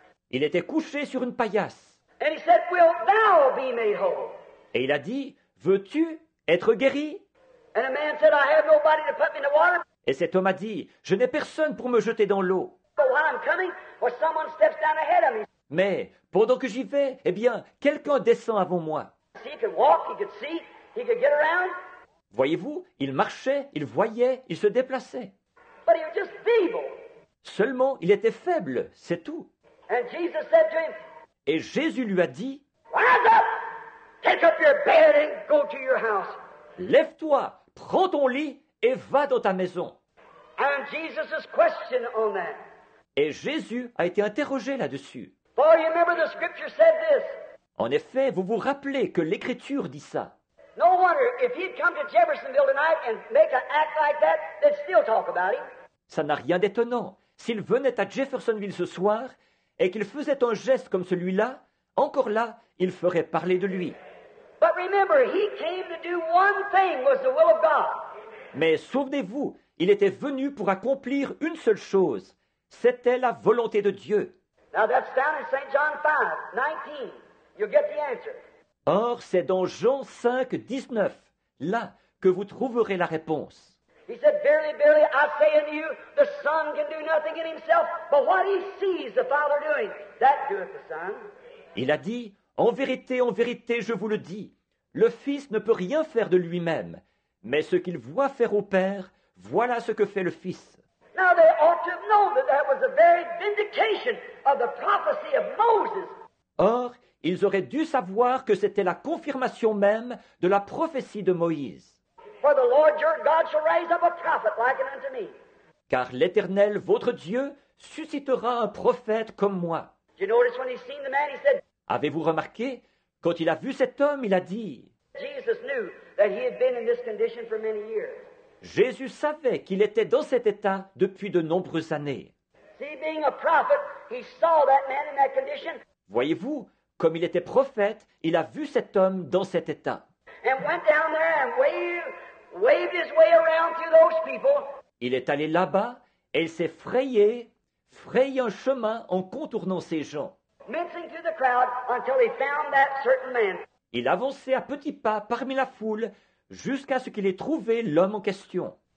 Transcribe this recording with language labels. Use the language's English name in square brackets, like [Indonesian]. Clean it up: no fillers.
[French] Il était couché sur une paillasse. [English] And he said, "Wilt thou be made whole?" [French] Et il a dit, veux-tu être guéri? [English] And a man said, "I have nobody to put me in the water." [French] Et cet homme a dit, je n'ai personne pour me jeter dans l'eau. [English] But while I'm coming, or someone steps down ahead of me. [French] Mais pendant que j'y vais, eh bien, quelqu'un descend avant moi. [English] See, he could walk, he could see, he could get around. [French] Voyez-vous, il marchait, il voyait, il se déplaçait. [English] But he was just feeble. [French] Seulement, il était faible, c'est tout. [English] And Jesus said to him, [French] et Jésus lui a dit, [English] rise up, take up your bed and go to your house. [French] Lève-toi, prends ton lit et va dans ta maison. [English] And Jesus's question on that. [French] Et Jésus a été interrogé là-dessus. [English] For you remember the scripture said this. [French] En effet, vous vous rappelez que l'Écriture dit ça. [English] No wonder if he'd come to Jeffersonville tonight and make an act like that, they'd still talk about him. [French] Ça n'a rien d'étonnant. S'il venait à Jeffersonville ce soir et qu'il faisait un geste comme celui-là, encore là, il ferait parler de lui. [English] But remember, he came to do one thing was the will of God. [French] Mais souvenez-vous, il était venu pour accomplir une seule chose. C'était la volonté de Dieu. [English] Now that's down in St. John 5, 19. You'll get the answer. [French] Or, c'est dans Jean 5, 19, là, que vous trouverez la réponse. [English] He said, verily, verily, I say unto you, the Son can do nothing in himself, but what he sees the Father doing, that doeth the Son. [French] Il a dit, en vérité, je vous le dis, le Fils ne peut rien faire de lui-même, mais ce qu'il voit faire au Père, voilà ce que fait le Fils. [English] Now they ought to have known that that was the very vindication of the prophecy of Moses. [French] Or, ils auraient dû savoir que c'était la confirmation même de la prophétie de Moïse. [English] For the Lord your God shall raise up a prophet like unto me. [French] Car l'Éternel, votre Dieu, suscitera un prophète comme moi. [English] Did you notice when he seen the man, he said, [French] avez-vous remarqué? Quand il a vu cet homme, il a dit, [English] Jesus knew that he had been in this condition for many years. [French] Jésus savait qu'il était dans cet état depuis de nombreuses années. [English] See, being a prophet, he saw that man in that condition. [French] Voyez-vous, comme il était prophète, il a vu cet homme dans cet état. [English] And went down there and waved his way around to those people. [French] Il est allé là-bas et il s'est frayé un chemin en contournant ces gens. [English] Mincing through the crowd until he found that certain man. [French] Il avançait à petits pas parmi la foule jusqu'à ce qu'il ait trouvé l'homme en question.